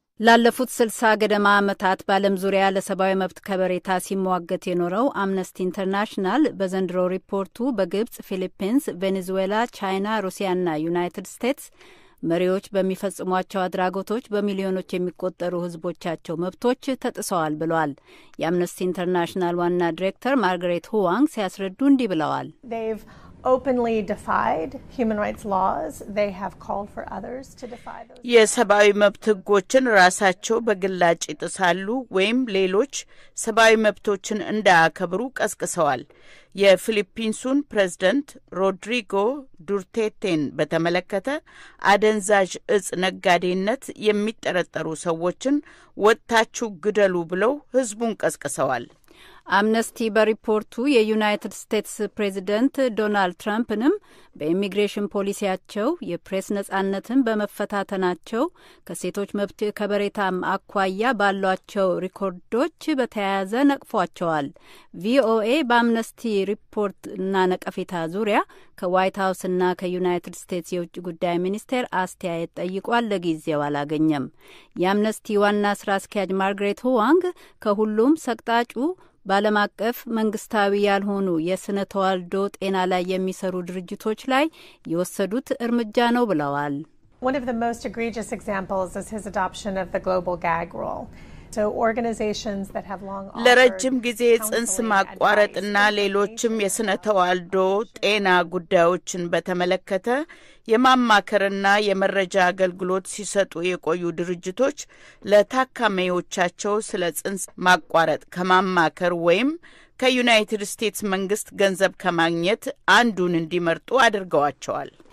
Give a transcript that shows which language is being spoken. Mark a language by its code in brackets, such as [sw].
[am] ላለፉት 60 ገደማ ዓመታት በዓለም ዙሪያ ለሰብአዊ መብት ከበሬታ ሲሟገት የኖረው አምነስቲ ኢንተርናሽናል በዘንድሮ ሪፖርቱ በግብጽ፣ ፊሊፒንስ፣ ቬኔዙዌላ፣ ቻይና፣ ሩሲያና ዩናይትድ ስቴትስ መሪዎች በሚፈጽሟቸው አድራጎቶች በሚሊዮኖች የሚቆጠሩ ህዝቦቻቸው መብቶች ተጥሰዋል ብሏል። የአምነስቲ ኢንተርናሽናል ዋና ዲሬክተር ማርግሬት ሁዋንግ ሲያስረዱ እንዲህ ብለዋል። [en] Openly defied human rights laws. They have called for others to defy those. [am] የሰብአዊ መብት ህጎችን ራሳቸው በግላጭ ጥሳሉ ወይም ሌሎች ሰብአዊ መብቶችን እንዳያከብሩ ቀስቅሰዋል። የፊሊፒንሱን ፕሬዝዳንት ሮድሪጎ ዱርቴቴን በተመለከተ አደንዛዥ እጽ ነጋዴነት የሚጠረጠሩ ሰዎችን ወጣቹ ግደሉ ብለው ህዝቡን ቀስቅሰዋል። አምነስቲ በሪፖርቱ የዩናይትድ ስቴትስ ፕሬዚደንት ዶናልድ ትራምፕንም በኢሚግሬሽን ፖሊሲያቸው፣ የፕሬስ ነጻነትን በመፈታተናቸው፣ ከሴቶች መብት ከበሬታም አኳያ ባሏቸው ሪኮርዶች በተያያዘ ነቅፏቸዋል። ቪኦኤ በአምነስቲ ሪፖርትና ነቀፌታ ዙሪያ ከዋይት ሀውስና ከዩናይትድ ስቴትስ የውጭ ጉዳይ ሚኒስቴር አስተያየት ጠይቋል፣ ለጊዜው አላገኘም። የአምነስቲ ዋና ስራ አስኪያጅ ማርግሬት ሁዋንግ ከሁሉም ሰቅጣጩ በዓለም አቀፍ መንግስታዊ ያልሆኑ የስነ ተዋልዶ ጤና ላይ የሚሰሩ ድርጅቶች ላይ የወሰዱት እርምጃ ነው ብለዋል። [en] One of the most egregious examples is his adoption of the global gag rule. So organizations that have long offered [am] ለረጅም ጊዜ ጽንስ ማቋረጥና ሌሎችም የስነ ተዋልዶ ጤና ጉዳዮችን በተመለከተ የማማከርና የመረጃ አገልግሎት ሲሰጡ የቆዩ ድርጅቶች ለታካሚዎቻቸው ስለ ጽንስ ማቋረጥ ከማማከር ወይም ከዩናይትድ ስቴትስ መንግስት ገንዘብ ከማግኘት አንዱን እንዲመርጡ አድርገዋቸዋል።